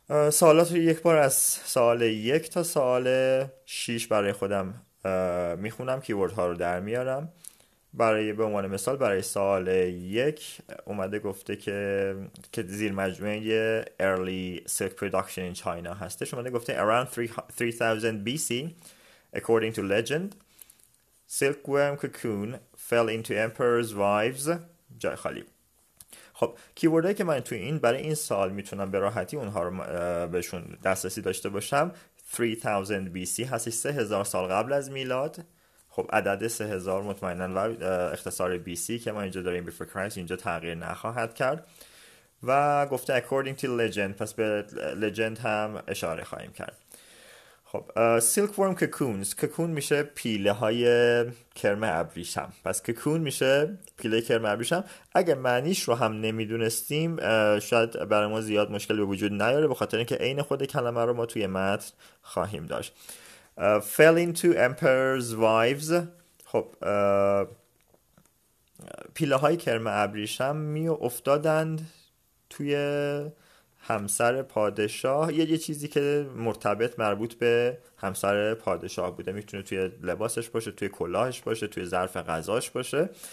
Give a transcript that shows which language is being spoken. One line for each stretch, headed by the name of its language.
Persian: سوالات رو یک بار از سوال 1 تا سوال 6 برای خودم میخونم، کیورد ها رو در میارم. برای به عنوان مثال برای سوال 1 اومده گفته که زیر مجموعه
English: early silk production in China
Persian: هستش. اومده گفته
English: around 3000 BC according to legend silkworm cocoon fell into emperor's wives.
Persian: جای خالی. خب کیوردهایی که من توی این برای این سوال میتونم به راحتی اونها رو بهشون دسترسی داشته باشم 3000 BC هستش، 3000 سال قبل از میلاد. خب عدد 3000 مطمئنن و اختصار بی سی که ما اینجا داریم
English: before Christ
Persian: اینجا تغییر نخواهد کرد. و گفته
English: according to legend،
Persian: پس به legend هم اشاره خواهیم کرد. خب silkworm cocoons، cocoon میشه پیله های کرم ابریشم، پس cocoon میشه پیله کرم ابریشم. اگه معنیش رو هم نمیدونستیم شاید برای ما زیاد مشکل به وجود نیاره، به خاطر اینکه این خود کلمه رو ما توی متن خواهیم داشت.
English: Fell into emperor's wives.
Persian: خب پیله های کرم ابریشم می افتادند توی همسر پادشاه. یه چیزی که مربوط به همسر پادشاه بوده، میتونه توی لباسش باشه، توی کلاهش باشه، توی ظرف غذاش باشه.